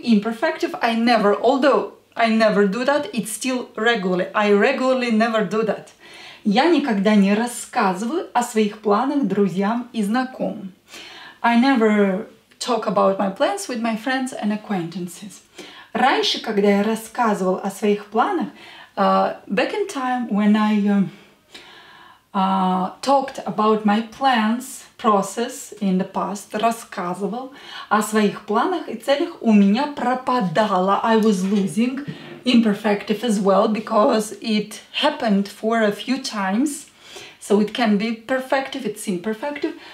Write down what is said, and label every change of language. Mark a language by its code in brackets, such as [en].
[en] imperfective, I never, although I never do that, it's still regularly. I regularly never do that. [ru] Я никогда не рассказываю о своих планах друзьям и знакомым. [en] I never talk about my plans with my friends and acquaintances. [ru] Раньше, когда я рассказывал о своих планах, [en] back in time, when I talked about my plans, process in the past, [ru] рассказывал о своих планах и целях, у меня пропадала, [en] I was losing imperfective as well, because it happened for a few times, so it can be perfective, it's imperfective,